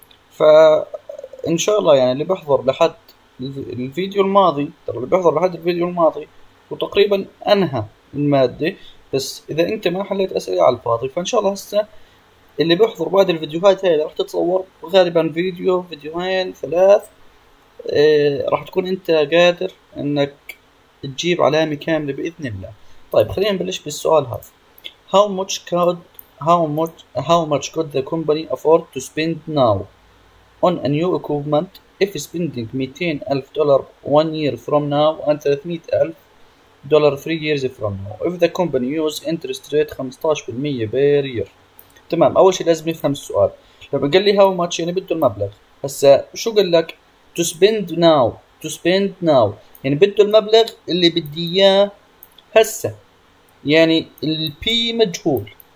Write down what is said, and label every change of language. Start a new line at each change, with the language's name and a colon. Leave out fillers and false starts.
Arabic: فإن شاء الله يعني اللي بحضر لحد الفيديو الماضي، ترى اللي بيحضر لحد الفيديو الماضي وتقريبا انهى المادة، بس اذا انت ما حليت اسئلة على الفاضي فان شاء الله هسه اللي بيحضر بعد الفيديوهات هاي راح تتصور غالبا فيديو فيديوهين ثلاث، راح تكون انت قادر انك تجيب علامة كاملة باذن الله. طيب خلينا نبلش بالسؤال هذا.
English: How much could the company afford to spend now on a new equipment if spending 200,000 dollars 1 year from now and 300,000 dollars 3 years from now if the company use interest rate 15% per year.
Arabic: تمام، أول شيء لازم نفهم السؤال. لما قال لي هاو ماتش يعني بده المبلغ، هسا شو قال لك؟
English: to spend now، to spend now
Arabic: يعني بده المبلغ اللي بدي إياه هسا، يعني ال P مجهول.